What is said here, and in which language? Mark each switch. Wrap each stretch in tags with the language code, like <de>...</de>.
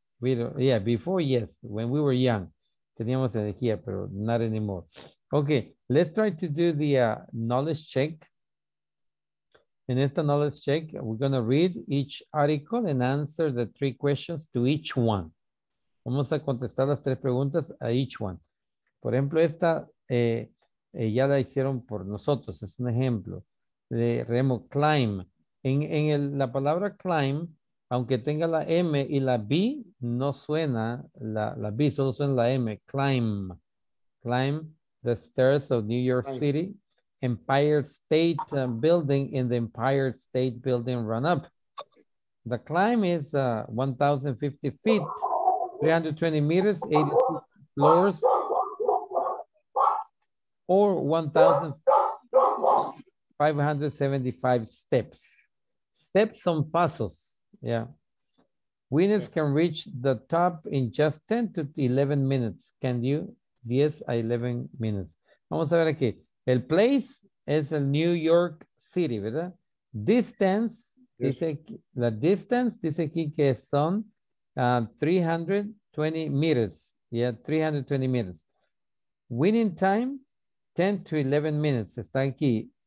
<en>We don't, yeah, before, yes, when we were young,</en> <es>teníamos energía, pero</es> <en>not anymore. Okay, let's try to do the knowledge check. In this knowledge check, we're going to read each article and answer the 3 questions to each one.</en> <es>Vamos a contestar las 3 preguntas a</es> <en>each one.</en> <es>Por ejemplo, esta ya la hicieron por nosotros. Es un ejemplo de remo, climb. La palabra climb, aunque tenga la M y la B, no suena la B, solo suena la M. Climb.</es> <en>Climb the stairs of New York City. Empire State Building in the Empire State Building run up. The climb is 1,050 feet, 320 meters, 86 floors, or 1,575 steps. Steps on pasos, yeah. Winners can reach the top in just 10 to 11 minutes. Can you? 10 a 11 minutes.</en> <es>Vamos a ver aquí. El place es el New York City, ¿verdad?</es> <en>Distance, yes.</en> <es>dice aquí que son 320 meters.</es> <en>Yeah, 320 meters. Winning time, 10 to 11 minutes.</en> <es>Está aquí.</es>